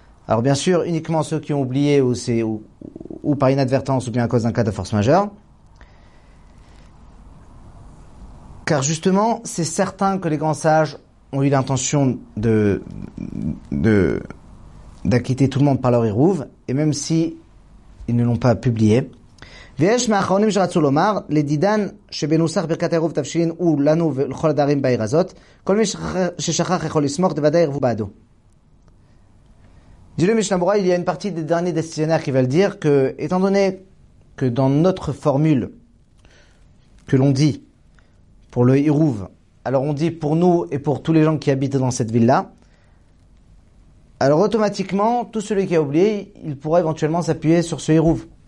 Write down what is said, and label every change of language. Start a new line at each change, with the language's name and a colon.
French: Alors bien sûr, uniquement ceux qui ont oublié ou par inadvertance ou bien à cause d'un cas de force majeure. Car justement, c'est certain que les grands sages ont eu l'intention d'acquitter tout le monde par leur hérouf, et même si ils ne l'ont pas publié.
Hebrew: ויש מהאחרונים שרצו לומר לדידן שבנוסח ברכת העירוב תפשין הוא לנו ולכל הדרים בעיר הזאת כל מי ששכח יכול לסמוך דוודאי ערבו בעדו. דילום יש למורה,
French: il y a une partie des derniers destinataires qui veulent dire que, étant donné que dans notre formule que l'on dit pour le Hérouv, alors on dit pour nous et pour tous les gens qui habitent dans cette ville-là, alors automatiquement, tout celui qui a oublié, il pourra éventuellement s'appuyer sur ce Hérouv.